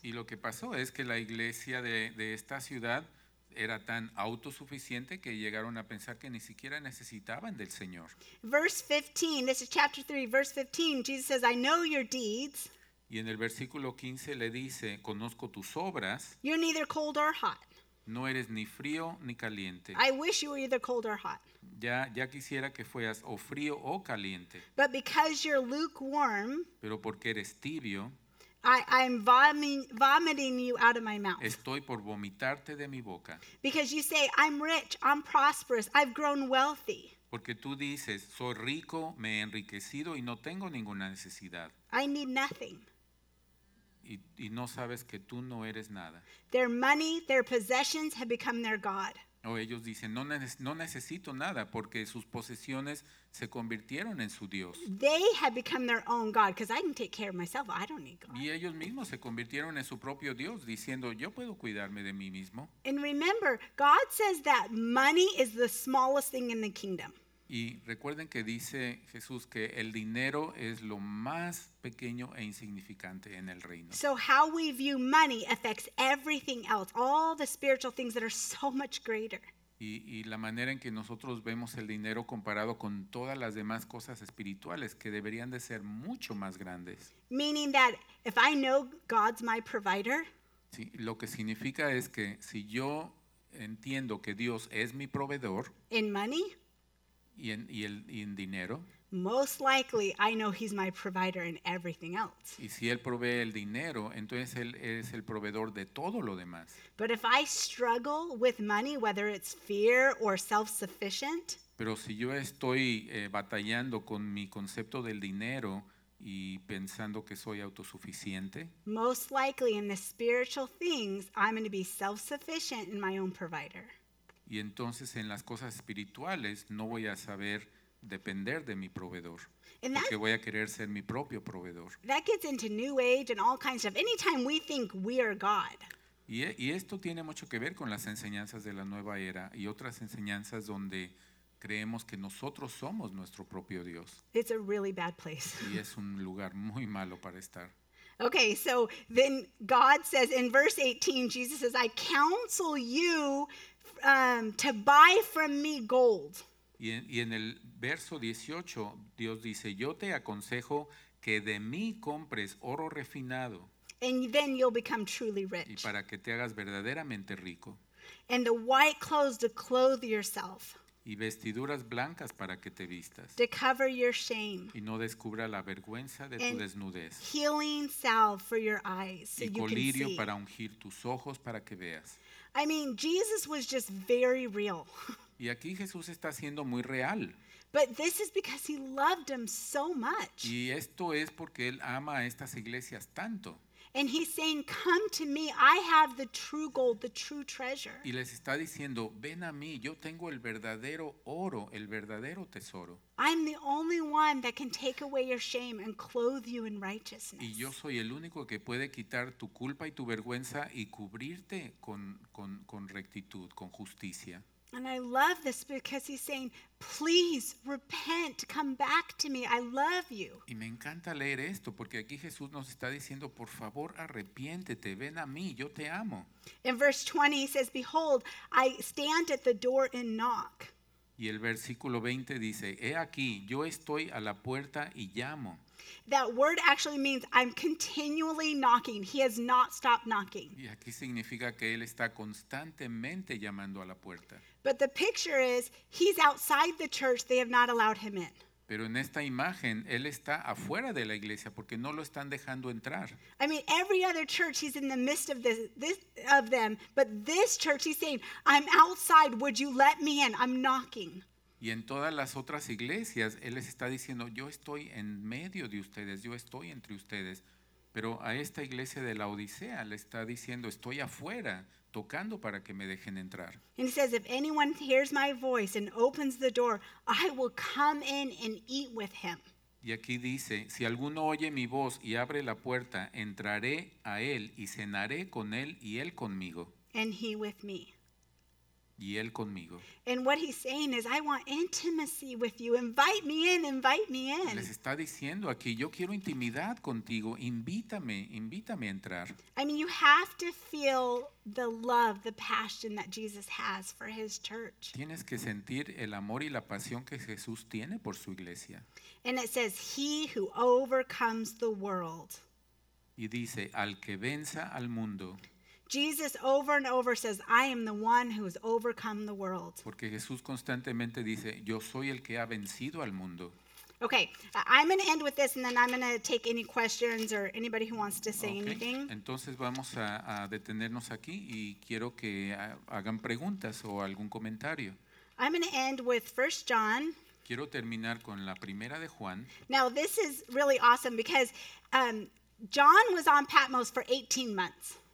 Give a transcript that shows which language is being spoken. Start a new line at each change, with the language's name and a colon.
Spanish: Y lo que pasó es que la iglesia de esta ciudad era tan autosuficiente que llegaron a pensar que ni siquiera necesitaban del Señor.
English: Verse 15, this is chapter 3, verse 15, Jesus says, I know your deeds.
Spanish: Y en el versículo 15 le dice, conozco tus obras.
English: You're neither cold or hot.
Spanish: No eres ni frío ni caliente.
English: I wish you were either cold or hot.
Spanish: Ya quisiera que fueras o frío o caliente.
English: But because you're lukewarm,
Spanish: pero porque eres tibio,
English: I'm vomiting you out of my mouth.
Spanish: Estoy por vomitarte de mi boca.
English: Because you say, I'm rich, I'm prosperous, I've grown wealthy.
Spanish: Porque tú dices, soy rico, me he enriquecido y no tengo ninguna necesidad.
English: I need nothing.
Spanish: Y no sabes que tú no eres nada.
English: Their money, their possessions have become their God.
Spanish: O ellos dicen, no necesito nada porque sus posesiones se convirtieron en su Dios.
English: They have become their own God because I can take care of myself. I don't need God.
Spanish: Y ellos mismos se convirtieron en su propio Dios diciendo, yo puedo cuidarme de mí mismo.
English: And remember, God says that money is the smallest thing in the kingdom.
Spanish: Y recuerden que dice Jesús que el dinero es lo más pequeño e insignificante en el reino.
English: So how we view money affects everything else, all the spiritual things that are so much greater.
Spanish: Y la manera en que nosotros vemos el dinero comparado con todas las demás cosas espirituales que deberían de ser mucho más grandes.
English: Meaning that if I know God's my provider.
Spanish: Sí, lo que significa es que si yo entiendo que Dios es mi proveedor.
English: In money.
Spanish: Y en dinero.
English: Most likely, I know he's my provider in everything else.
Spanish: Y si él provee el dinero, entonces él es el proveedor de todo lo demás.
English: But if I struggle with money, whether it's fear or self-sufficient.
Spanish: Pero si yo estoy batallando con mi concepto del dinero y pensando que soy autosuficiente.
English: Most likely, in the spiritual things, I'm going to be self-sufficient in my own provider.
Spanish: Y entonces en las cosas espirituales no voy a saber depender de mi proveedor.
English: And
Spanish: porque voy a querer ser mi propio proveedor.
English: That gets into New Age and all kinds of anytime we think we are God.
Spanish: Y esto tiene mucho que ver con las enseñanzas de la nueva era y otras enseñanzas donde creemos que nosotros somos nuestro propio Dios.
English: It's a really bad place.
Spanish: Y es un lugar muy malo para estar.
English: Okay, so then God says in verse 18, Jesus says, I counsel you to buy from me gold.
Spanish: Y en el verso 18, Dios dice, yo te aconsejo que de mí compres oro refinado.
English: And then you'll become truly rich.
Spanish: Y para que te hagas verdaderamente rico.
English: And the white clothes to clothe yourself.
Spanish: Y vestiduras blancas para que te vistas.
English: To cover your shame.
Spanish: Y no descubra la vergüenza de tu desnudez.
English: And healing salve for your eyes so
Spanish: y colirio
English: you can
Spanish: para ungir tus ojos para que veas.
English: I mean, Jesus was just very real.
Spanish: Y aquí Jesús está siendo muy real.
English: But this is because he loved them so much.
Spanish: Y esto es porque él ama a estas iglesias tanto.
English: And he's saying, come to me, I have the true gold, the true treasure.
Spanish: Y les está diciendo, ven a mí, yo tengo el verdadero oro, el verdadero tesoro.
English: I'm the only one that can take away your shame and clothe you in righteousness.
Spanish: Y yo soy el único que puede quitar tu culpa y tu vergüenza y cubrirte con rectitud, con justicia.
English: And I love this because he's saying, please repent, come back to me, I love you.
Spanish: Y me encanta leer esto porque aquí Jesús nos está diciendo, por favor arrepiéntete, ven a mí, yo te amo.
English: In verse 20 he says, behold, I stand at the door and knock.
Spanish: Y el versículo 20 dice, he aquí, yo estoy a la puerta y llamo.
English: That word actually means I'm continually knocking. He has not stopped knocking.
Spanish: Y aquí significa que él está constantemente llamando a la puerta.
English: But the picture is he's outside the church. They have not allowed him in.
Spanish: Pero en esta imagen, él está afuera de la iglesia porque no lo están dejando entrar.
English: I mean, every other church, he's in the midst of them. But this church, he's saying, I'm outside, would you let me in? I'm knocking.
Spanish: Y en todas las otras iglesias, él les está diciendo, yo estoy en medio de ustedes, yo estoy entre ustedes. Pero a esta iglesia de la Odisea le está diciendo, estoy afuera, tocando para que me dejen entrar.
English: And he says, if anyone hears my voice and opens the door, I will come in and eat with him.
Spanish: Y aquí dice, si alguno oye mi voz y abre la puerta, entraré a él y cenaré con él y él conmigo.
English: And he with me.
Spanish: Y él conmigo.
English: And what he's saying is, I want intimacy with you. Invite me in, invite me in.
Spanish: Les está diciendo aquí, yo quiero intimidad contigo. Invítame, invítame a entrar.
English: I mean, you have to feel the love, the passion that Jesus has for his church.
Spanish: Tienes que sentir el amor y la pasión que Jesús tiene por su iglesia.
English: And it says, he who overcomes the world.
Spanish: Y dice, al que venza al mundo.
English: Jesus over and over says, I am the one who has overcome the world.
Spanish: Porque Jesús constantemente dice, yo soy el que ha vencido al mundo.
English: Okay, I'm going to end with this and then I'm going to take any questions or anybody who wants to say okay. anything.
Spanish: Entonces vamos a detenernos aquí y quiero que hagan preguntas o algún comentario.
English: I'm going to end with 1 John.
Spanish: Quiero terminar con la primera de Juan.
English: Now this is really awesome because John was on Patmos for 18 months.